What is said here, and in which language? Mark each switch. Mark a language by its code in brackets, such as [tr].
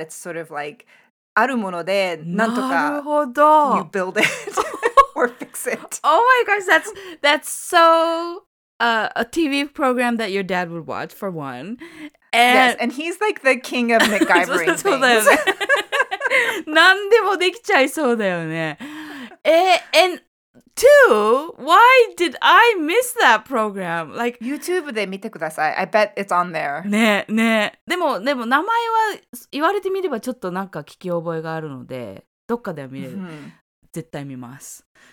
[en] It's sort of like, [ja] あるものでなんとか [en] you build it or fix it. Oh my gosh, that's so a TV program that your dad would watch, for one. And, yes, and he's like the king of MacGyvering things. [ja] なんでもできちゃいそうだよね。 [en] And two, why did I miss that program? Like, YouTube [ja] で見てください。 [en] I bet it's on there. [ja] ねえ、ねえ。でも名前は言われてみればちょっとなんか聞き覚えがあるので、どっかでは見れる。絶対見ます。